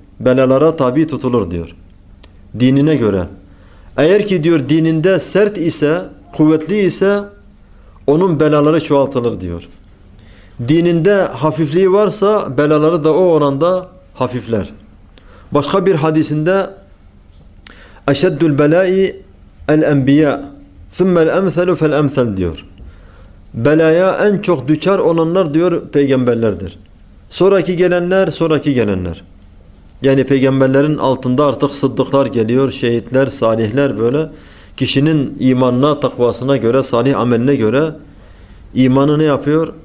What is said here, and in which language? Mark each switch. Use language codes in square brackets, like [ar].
[tr] Belalara tabi tutulur diyor. Dinine göre. Eğer ki diyor dininde sert ise, kuvvetli ise onun belaları çoğaltılır diyor. Dininde hafifliği varsa belaları da o oranda hafifler. Başka bir hadisinde [ar] اَشَدُّ الْبَلَاءِ الْاَنْبِيَاءِ ثُمَّ الْاَمْثَلُ فَالْاَمْثَلُ diyor. [tr] Belaya en çok düçar olanlar diyor peygamberlerdir. Sonraki gelenler, sonraki gelenler. Yani peygamberlerin altında artık sıddıklar geliyor, şehitler, salihler böyle. Kişinin imanına, takvasına göre, salih ameline göre imanı ne yapıyor?